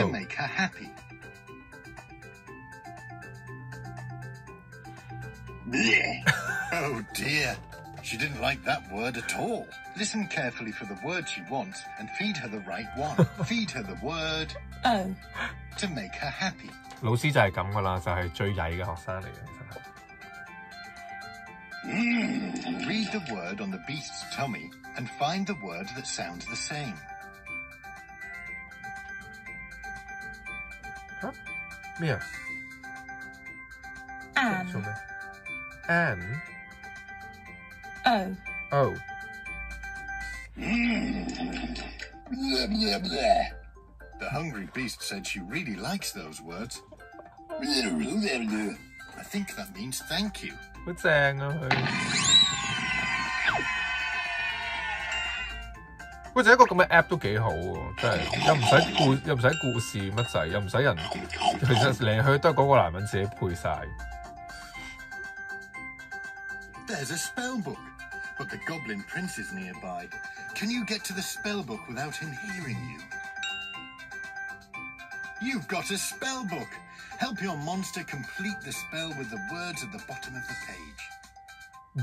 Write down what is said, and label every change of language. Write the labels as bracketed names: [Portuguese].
[English] to make her happy. Oh dear, she didn't like that word at all. Listen carefully for the word she wants, and feed her the right one. Feed her the word oh to make her happy. [Cantonese] 老师就系咁噶啦，就系最曳嘅学生嚟嘅，其实。 [English] Read the word on the beast's tummy and find the word that sounds the same. Huh? Mia. An. Oh. Oh. Blah, blah, blah. The hungry beast said she really likes those words. Blah, blah, blah. I think that means thank you. [Cantonese] 好正啊佢！喂，就一个咁嘅 app 都几好喎，真系又唔使故又唔使故事乜滞，又唔使人，其实嚟去都系嗰个男人自己配晒。 [English] There's a spell book, but the goblin prince is nearby. Can you get to the spell book without him hearing you? You've got a spell book. Help your monster complete the spell with the words at the bottom of the page.